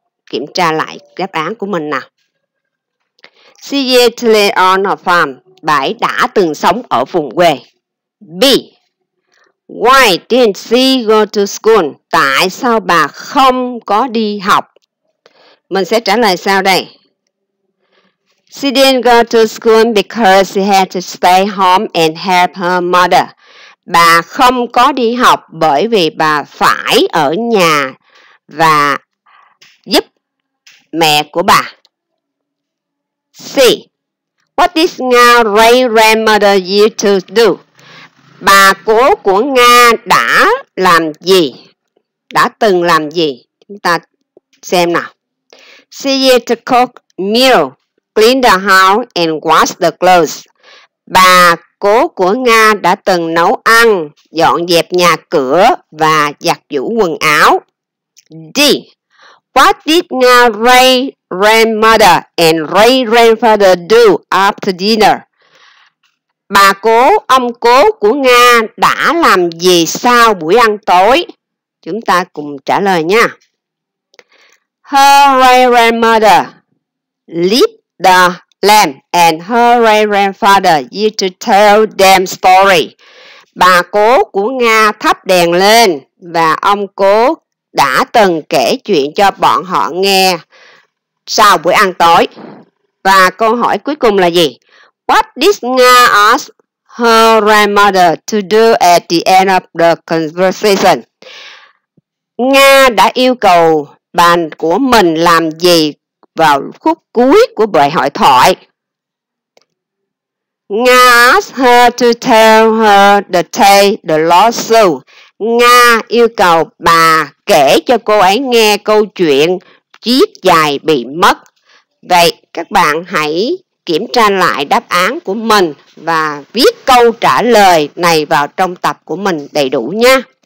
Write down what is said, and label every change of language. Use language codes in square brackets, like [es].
[vi] Kiểm tra lại đáp án của mình nào. [en] She used to live on a farm. [vi] Bà ấy đã từng sống ở vùng quê. B. [en] Why didn't she go to school? [vi] Tại sao bà không có đi học? Mình sẽ trả lời sao đây? [en] She didn't go to school because she had to stay home and help her mother. [vi] Bà không có đi học bởi vì bà phải ở nhà và giúp mẹ của bà. C. [en] What did Nga's great grandmother used to do? [vi] Bà cố của Nga đã làm gì? Đã từng làm gì? Chúng ta xem nào. [en] She used to cook meal. Clean the house and wash the clothes. [vi] Bà cố của Nga đã từng nấu ăn, dọn dẹp nhà cửa và giặt giũ quần áo. D. [en] What did Nga's great grandmother and great grandfather do after dinner? [vi] Bà cố, ông cố của Nga đã làm gì sau buổi ăn tối? Chúng ta cùng trả lời nha. [en] Her great grandmother lived the lamb and her great grandfather used to tell them story. [vi] Bà cố của Nga thắp đèn lên và ông cố đã từng kể chuyện cho bọn họ nghe sau buổi ăn tối. Và câu hỏi cuối cùng là gì? [en] What did Nga ask her grandmother to do at the end of the conversation? [vi] Nga đã yêu cầu bà của mình làm gì vào khúc cuối của bài hội thoại? [en] Nga asked her to tell her the tale, the lawsuit. [vi] Nga yêu cầu bà kể cho cô ấy nghe câu chuyện chiếc giày bị mất. Vậy các bạn hãy kiểm tra lại đáp án của mình và viết câu trả lời này vào trong tập của mình đầy đủ nha.